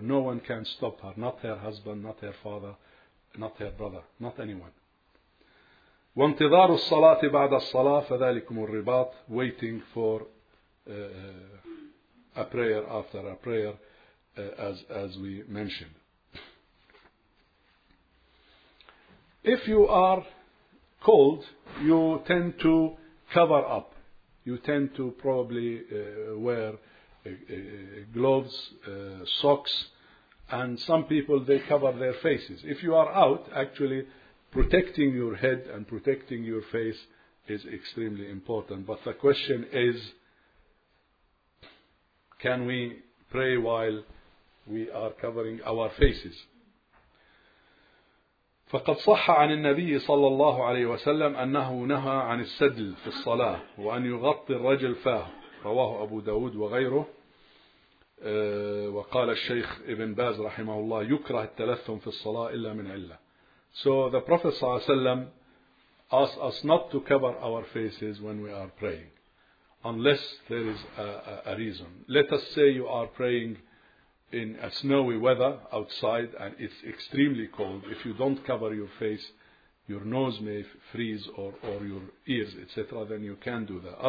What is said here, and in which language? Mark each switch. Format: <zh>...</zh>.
<en>No one can stop her. Not her husband, not her father, not her brother, not anyone.</en> <ar>وانتظار الصلاة بعد الصلاة فذلكم الرباط.</ar> <en>Waiting for a prayer after a prayer, as we mentioned. If you are cold, you tend to cover up. You tend to probably wear gloves, socks, and some people, they cover their faces. If you are out, actually protecting your head and protecting your face is extremely important. But the question is, can we pray while we are covering our faces?</en> <ar>فقد صح عن النبي صلى الله عليه وسلم أنه نهى عن السدل في الصلاة وأن يغطي الرجل فاه, رواه أبو داود وغيره. وقال الشيخ ابن باز رحمه الله يكره التلثم في الصلاة إلا من علة.</ar> <en>So the Prophet صلى الله عليه وسلم asked us not to cover our faces when we are praying unless there is a reason. Let us say you are praying in a snowy weather outside and it's extremely cold. If you don't cover your face, your nose may freeze or your ears, etc., then you can do that.</en>